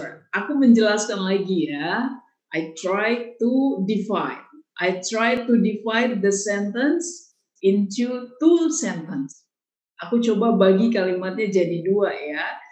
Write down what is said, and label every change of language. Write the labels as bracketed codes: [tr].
[id] Aku menjelaskan lagi ya. [en] I try to divide the sentence into two sentence. [id] Aku coba bagi kalimatnya jadi dua ya.